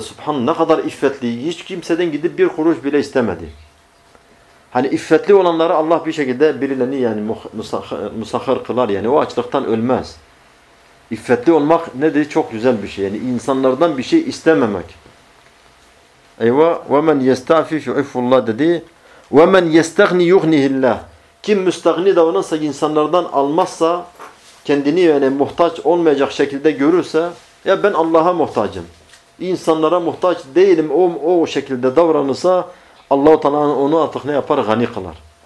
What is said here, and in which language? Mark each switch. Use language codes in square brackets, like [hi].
[tr] Subhanallah, ne kadar iffetli. Hiç kimseden gidip bir kuruş bile istemedi. Hani iffetli olanları Allah bir şekilde birilerini yani musahhar kılar. Yani o açlıktan ölmez. İffetli olmak ne dedi? Çok güzel bir şey. Yani insanlardan bir şey istememek. Eyvah. [ar] وَمَنْ يَسْتَعْفِفْ يُعِفُّ اللّٰهِ dedi. وَمَنْ يَسْتَغْنِ يُغْنِهِ اللّٰهِ. [tr] Kim müstağni davranırsa, insanlardan almazsa, kendini yani muhtaç olmayacak şekilde görürse, ya ben Allah'a muhtacım, İnsanlara muhtaç değilim, o şekilde davranırsa Allah-u Teala onu artık ne yapar? Gani kılar.